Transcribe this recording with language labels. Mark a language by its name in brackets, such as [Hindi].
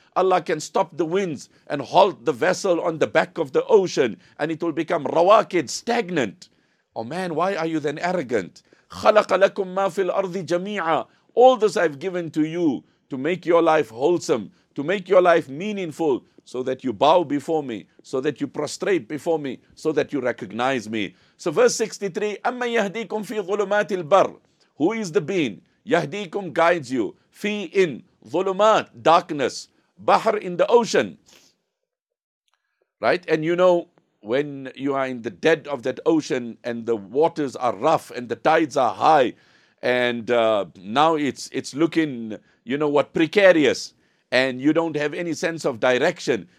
[English] Allah can stop the winds and halt the vessel on the back of the ocean, and it will become rawakid, stagnant. Oh man, why are you then arrogant? [Arabic] خَلَقَ لَكُمْ مَا فِي الْأَرْضِ جَمِيعًا. [English] All this I've given to you to make your life wholesome, to make your life meaningful, so that you bow before me, so that you prostrate before me, so that you recognize me. So verse 63, [Arabic] أَمَّنْ يَهْدِيكُمْ فِي ظُلُمَاتِ الْبَرِّ. [English] Who is the being? يَهْدِيكُمْ guides you. فِي in ظُلُمَات, darkness. Bahr, in the ocean, right? And you know, when you are in the dead of that ocean and the waters are rough and the tides are high, and now it's looking, you know what, precarious, and you don't have any sense of direction.